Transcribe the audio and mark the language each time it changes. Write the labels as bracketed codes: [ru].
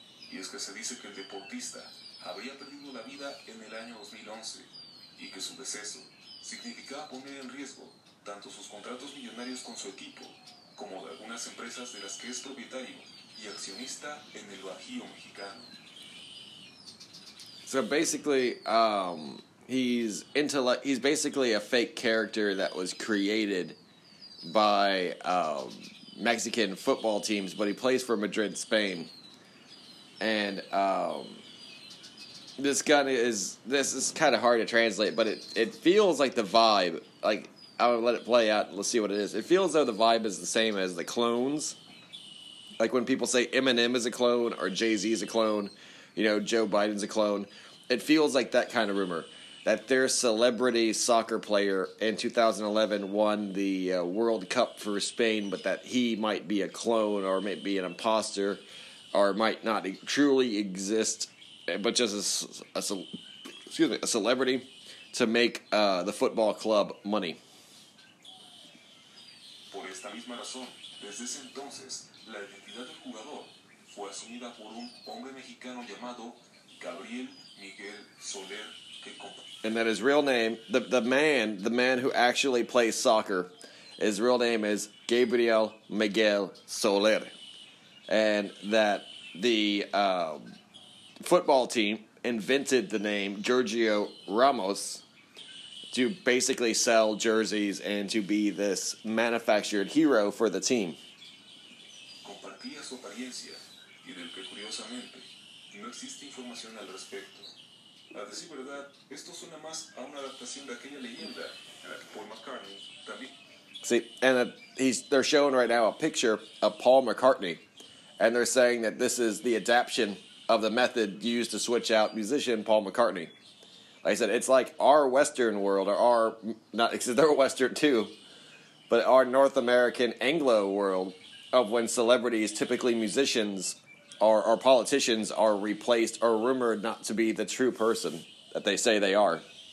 [es] Y es que se dice que el deportista habría perdido la vida en el año 2011 y que su deceso significaba poner en riesgo tanto sus contratos millonarios con su equipo como de algunas empresas de las que es propietario y accionista en el Bajío mexicano. [en] So basically, He's basically a fake character that was created by Mexican football teams, but he plays for Madrid, Spain. And this is kind of hard to translate, but it feels like the vibe. Like, I'll let it play out. Let's see what it is. It feels though the vibe is the same as the clones. Like when people say Eminem is a clone or Jay-Z is a clone, you know, Joe Biden's a clone. It feels like that kind of rumor. That their celebrity soccer player in 2011 won the World Cup for Spain, but that he might be a clone or might be an imposter or might not truly exist, but just a celebrity to make the football club money. [es] Por esta misma razón, desde ese entonces, la identidad del jugador fue asumida por un hombre mexicano llamado Gabriel Miguel Soler. [en] And that his real name, the man who actually plays soccer, his real name is Gabriel Miguel Soler. And that the football team invented the name Giorgio Ramos to basically sell jerseys and to be this manufactured hero for the team. [es] Compartía su apariencia, y del que curiosamente no existe información al respecto. A decir verdad, esto suena más a una adaptación de aquella leyenda, Paul McCartney también. [en] See, and they're showing right now a picture of Paul McCartney, and they're saying that this is the adaption of the method used to switch out musician Paul McCartney. Like I said, it's like our Western world, or our, not, because they're Western too, but our North American Anglo world of when celebrities, typically musicians, or politicians, are replaced or rumored not to be the true person that they say they are.